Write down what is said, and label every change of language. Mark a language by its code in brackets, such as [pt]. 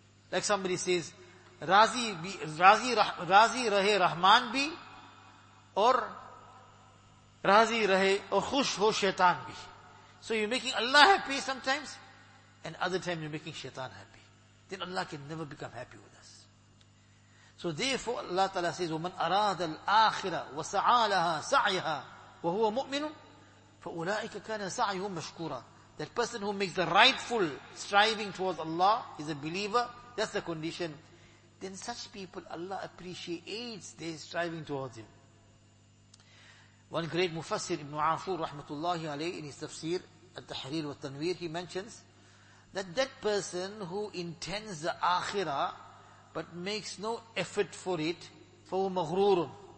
[en] Like somebody says, [ur] razi rahe rahman bhi, or razi rahe, or khush ho shaitan bhi. [en] So you're making Allah happy sometimes, and other times you're making shaitan happy. Then Allah can never become happy with us. So therefore, Allah Ta'ala says, [ar] وَمَنْ أَرَادَ الْآخِرَةِ وَسَعَى لَهَا سَعْيَهَا وَهُوَ مُؤْمِنٌ فَأُولَٰئِكَ كَانَ سَعْيُهُمْ مَشْكُورًا. [en] That person who makes the rightful striving towards Allah is a believer. That's the condition. Then such people, Allah appreciates their striving towards Him. One great mufassir, Ibn Ashur, rahmatullahi alayhi, in his tafsir, Al-Tahrir wa Tanwir, he mentions that person who intends the akhirah but makes no effort for it, [ar] فَهُوَ مَغْرُورٌ.